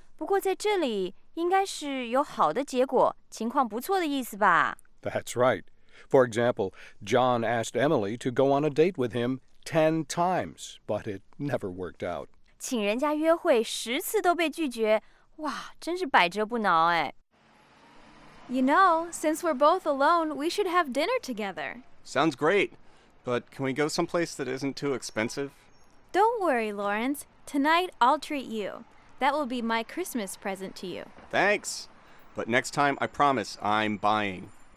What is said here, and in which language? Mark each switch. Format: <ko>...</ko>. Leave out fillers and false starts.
<zh>不过在这里应该是有好的结果，情况不错的意思吧。</zh> <en>That's right. For example, John asked Emily to go on a date with him 10 times, but it never worked out.</en> <zh>请人家约会十次都被拒绝，哇，真是百折不挠哎。</zh> <en>You know, since we're both alone, we should have dinner together. Sounds great, but can we go someplace that isn't too expensive? Don't worry, Lawrence. Tonight, I'll treat you. That will be my Christmas present to you. Thanks, but next time, I promise, I'm buying.</en>